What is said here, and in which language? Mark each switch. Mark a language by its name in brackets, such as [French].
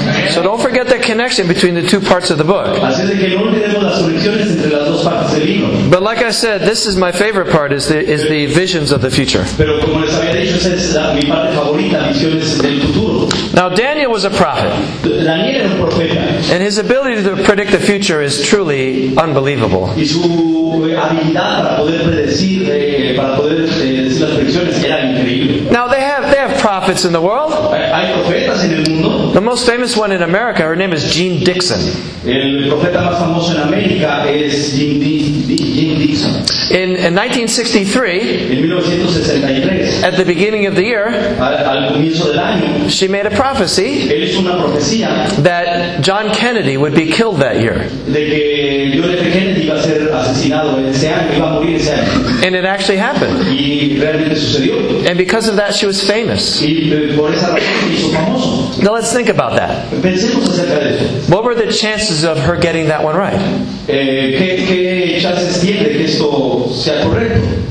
[English] So don't forget the connection between the two parts of the book. [Spanish] Así es que no olvidemos las conexiones entre las dos partes del libro. [English] But like I said, this is my favorite part, is the visions of the future. [Spanish] Pero como les había dicho, esa es mi parte favorita, visiones del futuro. [English] Now Daniel was a prophet. [Spanish] Daniel era un profeta. [English] And his ability to predict the future is truly unbelievable. [Spanish] Y su habilidad para poder predecir, las predicciones era increíble. [English] Now they have prophets in the world. [Spanish] Hay profetas en el mundo. [English] The most famous one in America, her name is Jean Dixon. [Spanish] El profeta más famoso en América es Jean Dixon. [English] In 1963, at the beginning of the year, [Spanish] al comienzo del año, [English] she made a prophecy that John Kennedy would be killed that year. [Spanish] De que John F. Kennedy iba a ser asesinado ese año, iba a morir ese año. [English] And it actually happened. [Spanish] Y realmente sucedió. [English] And because of that, she was famous. [Spanish] Y por esa razón, hizo famoso. [English] Now let's think about that. [Spanish] Pensemos acerca de eso. [English] What were the chances of her getting that one right? [Spanish] ¿Qué chances tiene de que esto sea correcto?